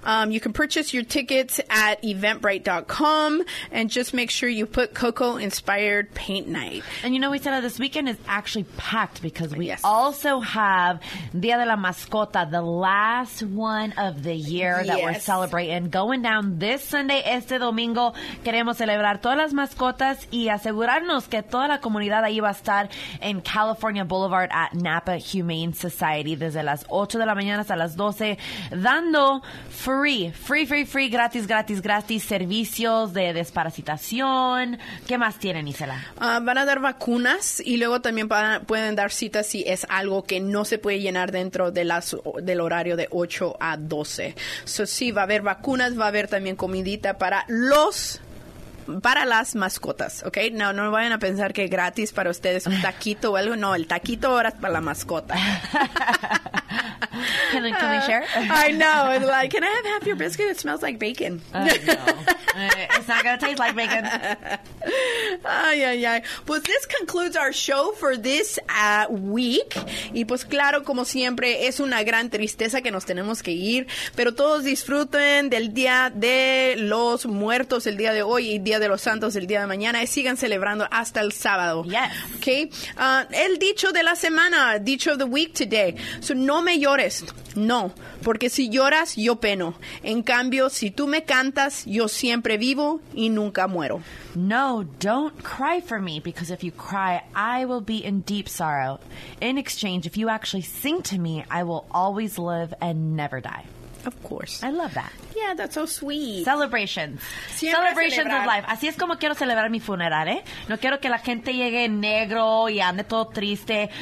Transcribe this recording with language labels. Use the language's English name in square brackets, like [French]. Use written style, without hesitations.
[English] You can purchase your tickets at eventbrite.com and just make sure you put Coco Inspired Paint Night. And you know, we said this weekend is actually packed because we also have Dia de la Mascota, the last one of the year that we're celebrating, going down this Sunday, este domingo. [Spanish] Queremos celebrar todas las mascotas y asegurarnos que toda la comunidad ahí va a estar en California Boulevard at Napa Humane Society desde las 8 de la mañana hasta las 12, dando free, gratis servicios de desparasitación. ¿Qué más tienen, Isela? Van a dar vacunas y luego también pueden dar citas si es algo que no se puede llenar dentro de del horario de 8 a 12. So, sí, va a haber vacunas, va a haber también comidita para las mascotas, ¿ok? No vayan a pensar que gratis para ustedes un taquito o algo. No, el taquito ahora es para la mascota. [English] Can we share? I know. It's like, can I have half your biscuit? It smells like bacon. No. It's not going to taste like bacon. Ay, ay, ay. Pues, this concludes our show for this week. [Spanish] Y, pues, claro, como siempre, es una gran tristeza que nos tenemos que ir. Pero todos disfruten del Día de los Muertos el día de hoy y Día de los Santos el día de mañana. Y sigan celebrando hasta el sábado. [English] Yes. [Spanish] Ok. El dicho de la semana, dicho of the week today. So, no me llores. No, porque si lloras, yo peno. En cambio, si tú me cantas, yo siempre vivo y nunca muero. [English] No, don't cry for me, because if you cry, I will be in deep sorrow. In exchange, if you actually sing to me, I will always live and never die. Of course. I love that. Yeah, that's so sweet. Celebrations. Siempre celebrations celebrar. Of life. [Spanish] Así es como quiero celebrar mi funeral, ¿eh? No quiero que la gente llegue negro y ande todo triste.